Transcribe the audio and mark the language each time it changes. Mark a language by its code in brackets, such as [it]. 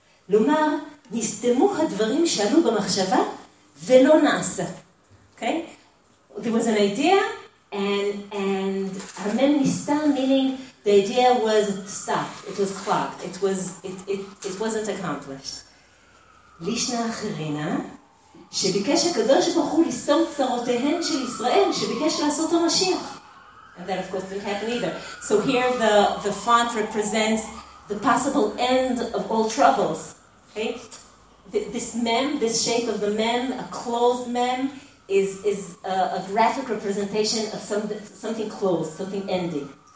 [he] Lomar, נסתמו הדברים שעלו במחשבה ולא נעשה. [en] Okay? There was an idea and [he] המם נסתם, [en] meaning the idea was stopped, it was clogged, it wasn't accomplished. [he] לישנה אחרינה, שביקש הקדוש ברוך הוא לסתום צרותיהן של ישראל, שביקש לעשות המשיח. [en] And that of course didn't happen either. So here the font represents the possible end of all troubles. Okay? This mem, this shape of the mem, a closed mem, is a graphic representation of something closed, something ending.